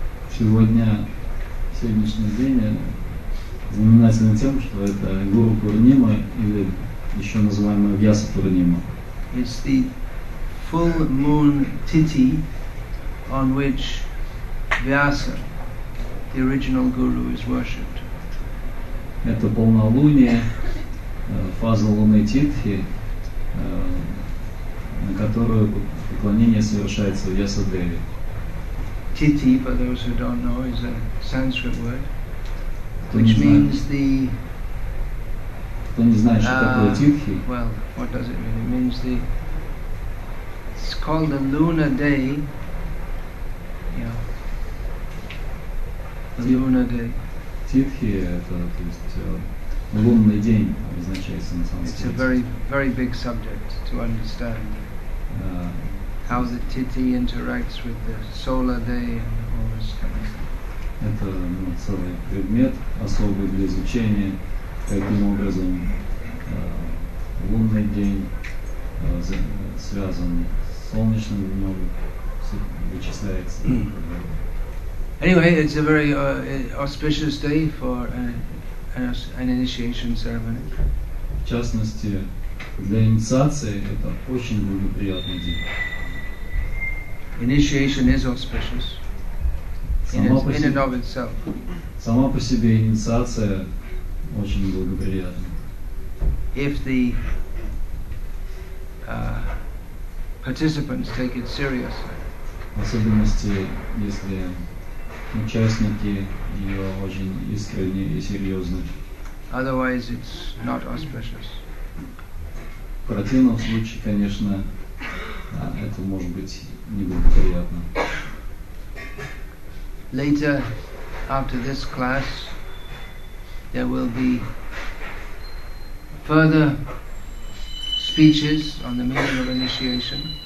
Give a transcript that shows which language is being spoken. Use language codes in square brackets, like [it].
[ru] Сегодняшний день знаменателен тем, что это Гуру Пурнима или еще называемая Вьяса Пурнима. [en] It's the full moon tithi on which Vyasa, the original Guru, is worshipped. [ru] Это полнолуние, фаза луны Титхи, на которую поклонение совершается Вьяса Деви. [en] Titi, for those who don't know, is a Sanskrit word, which means the. Well, what does it mean? It means the. It's called the lunar day. Yeah. Lunar day. [ru] Titi это то есть лунный день обозначается на Sanskrit. [en] It's a very, very big subject to understand. How the titi interacts with the solar day and all this kind of thing. [ru] Это целый предмет особый для изучения, каким образом лунный день связан с солнечным днем, вычисляется. [en] Anyway, it's a very auspicious day for an initiation ceremony. [ru] В частности, для инициации это очень благоприятный день. [en] Initiation is auspicious in and of itself. [ru] Сама по себе инициация очень благоприятна. [en] If the participants take it seriously. [ru] В особенности, если участники ее очень искренне и серьезны. [en] Otherwise, it's not auspicious. [ru] В противном случае, конечно, это может быть неблагоприятно. [en] Later, after this class, there will be further speeches on the meaning of initiation.